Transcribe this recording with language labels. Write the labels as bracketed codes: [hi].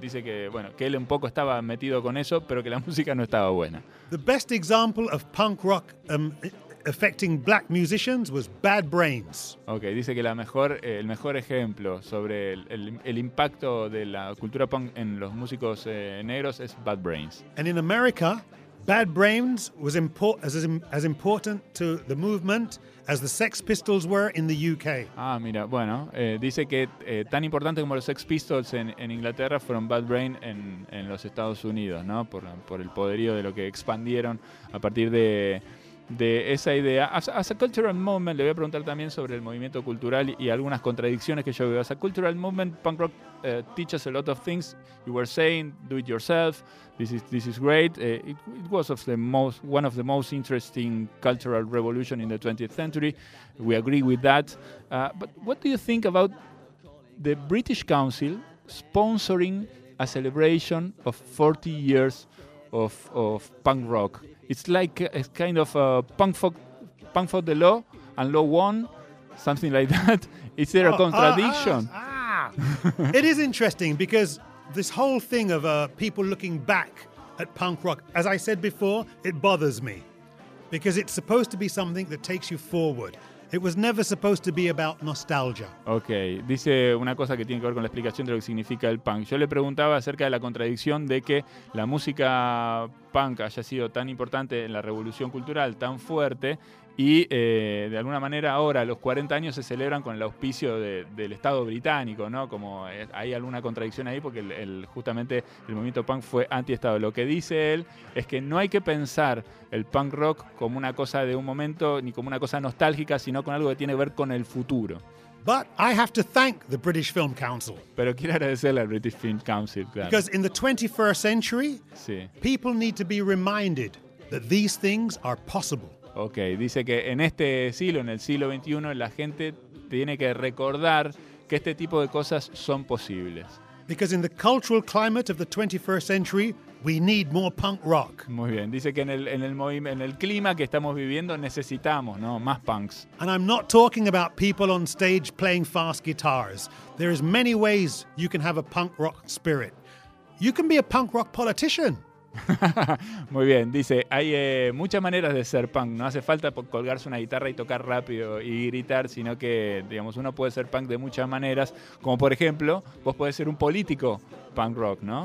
[es] Dice que, bueno, que él un poco estaba metido con eso, pero que la música no estaba buena. [en] The best example of punk rock affecting black musicians was Bad Brains. [es] Okay, dice que el mejor ejemplo sobre el impacto de la cultura punk en los músicos negros es Bad Brains. [en] And in America, Bad Brains was as important to the movement as the Sex Pistols were in the UK. [es] Ah, mira, bueno, dice que tan importante como los Sex Pistols en Inglaterra fueron Bad Brain en los Estados Unidos, ¿no? Por el poderío de lo que expandieron a partir de de esa idea. [en] As a cultural movement, [es] le voy a preguntar también sobre el movimiento cultural y algunas contradicciones que yo veo. [en] As a cultural movement, punk rock teaches a lot of things. You were saying, do it yourself. This is great. It was one of the most interesting cultural revolution in the 20th century. We agree with that. But what do you think about the British Council sponsoring a celebration of 40 years of punk rock? It's like a kind of a punk for the law and law won, something like that. Is there a contradiction? It is interesting because this whole thing of people looking back at punk rock, as I said before, it bothers me because it's supposed to be something that takes you forward. It was never supposed to be about nostalgia. [es] Okay, dice una cosa que tiene que ver con la explicación de lo que significa el punk. Yo le preguntaba acerca de la contradicción de que la música punk haya sido tan importante en la revolución cultural, tan fuerte, y de alguna manera ahora los 40 años se celebran con el auspicio del Estado británico, ¿no? Como hay alguna contradicción ahí porque justamente el movimiento punk fue anti-Estado. Lo que dice él es que no hay que pensar el punk rock como una cosa de un momento ni como una cosa nostálgica, sino con algo que tiene que ver con el futuro. [en] But I have to thank the British Film Council. [es] Pero quiero agradecerle al British Film Council, claro. [en] Because in the 21st century, sí, people need to be reminded that these things are possible. [es] Okay, dice que en este siglo, en el siglo XXI, la gente tiene que recordar que este tipo de cosas son posibles. [en] Because in the cultural climate of the 21st century, we need more punk rock. [es] Muy bien, dice que en el clima que estamos viviendo necesitamos, ¿no?, más punks. [en] And I'm not talking about people on stage playing fast guitars. There is many ways you can have a punk rock spirit. You can be a punk rock politician. [es] Muy bien, dice, hay muchas maneras de ser punk. No hace falta colgarse una guitarra y tocar rápido y gritar, sino que, digamos, uno puede ser punk de muchas maneras. Como por ejemplo, vos podés ser un político punk rock, ¿no?